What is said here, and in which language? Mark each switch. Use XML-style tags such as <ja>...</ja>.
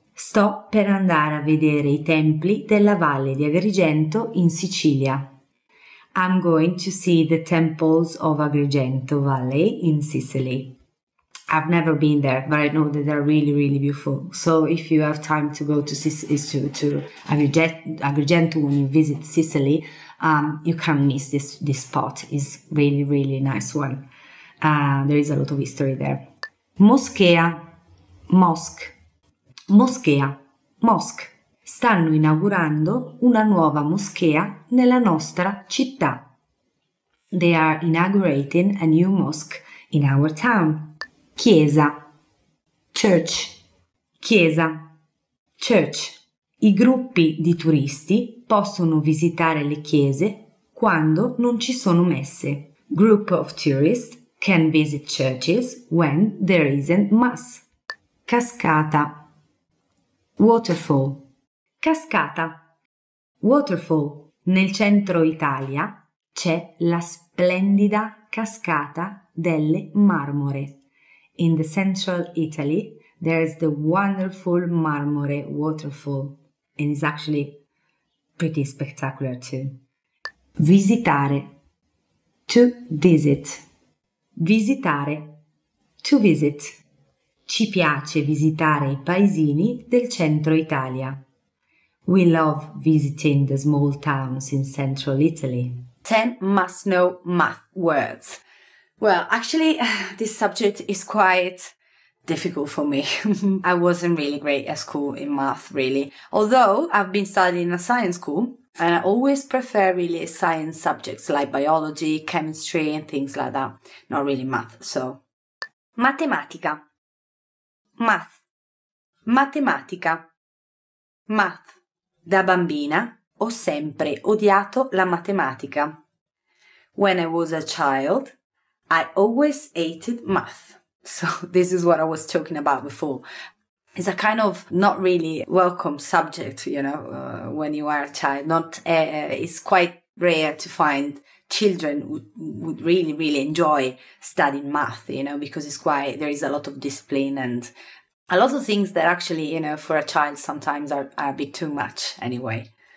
<it>Sto per andare a vedere i templi della Valle di Agrigento in Sicilia.</it> <en>I'm going to see the temples of Agrigento Valley in Sicily. I've never been there, but I know that they're really, really beautiful. So if you have time to go to Agrigento when you visit Sicily, you can't miss this spot. It's really, really nice one. There is a lot of history there. Moschea. Mosque. Moschea. Mosque.</en> <it>Stanno inaugurando una nuova moschea nella nostra città.</it> <en>They are inaugurating a new mosque in our town.</en> <it>Chiesa.</it> <en>Church.</en> <it>Chiesa. Church. I gruppi di turisti possono visitare le chiese quando non ci sono messe.</it> <en>Group of tourists can visit churches when there isn't mass.</en> <it>Cascata.</it> <en>Waterfall.</en> <it>Cascata.</it> <en>Waterfall.</en> <it>Nel centro Italia c'è la splendida cascata delle Marmore.</it> <en>In the central Italy there is the wonderful Marmore waterfall, and it's actually pretty spectacular too.</en> <it>Visitare.</it> <en>To visit.</en> <it>Visitare.</it> <en>To visit.</en> <it>Ci piace visitare i paesini del centro Italia.</it> <en>We love visiting the small towns in central Italy. 10 must know math words. Well, actually, this subject is quite difficult for me. I wasn't really great at school in math, really. Although I've been studying in a science school, and I always prefer really science subjects like biology, chemistry, and things like that. Not really math, so.</en> <it>Matematica.</it> <en>Math.</en> <it>Matematica.</it> <en>Math.</en> <it>Da bambina ho sempre odiato la matematica.</it> <en>When I was a child, I always hated math. So this is what I was talking about before. It's a kind of not really welcome subject, you know, when you are a child. It's quite rare to find children would really, really enjoy studying math, you know, because it's quite, there is a lot of discipline and a lot of things that actually, you know, for a child sometimes are a bit too much anyway.</en>